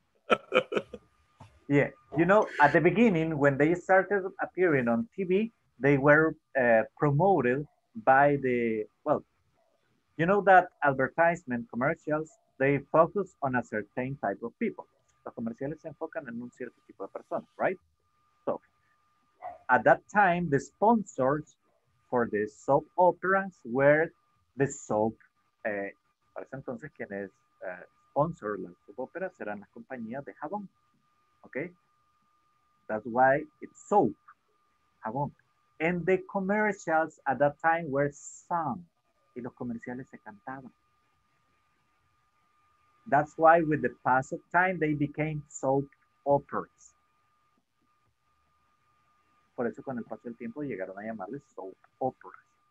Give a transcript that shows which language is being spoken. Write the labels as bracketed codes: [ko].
[en] Yeah. Yeah, you know, at the beginning, when they started appearing on TV, they were promoted by the, well, you know that advertisement commercials, they focus on a certain type of people. [es] Los comerciales se enfocan en un cierto tipo de personas, right? [en] So, at that time, the sponsors for the soap operas were the soap, [es] para ese entonces quienes sponsor las soap operas serán las compañías de jabón, [en] okay? That's why it's soap, jabón. And the commercials at that time were sung, [es] y los comerciales se cantaban. [en] That's why with the pass of time, they became soap operas. [es] Por eso con el paso del tiempo llegaron a llamarles soap operas.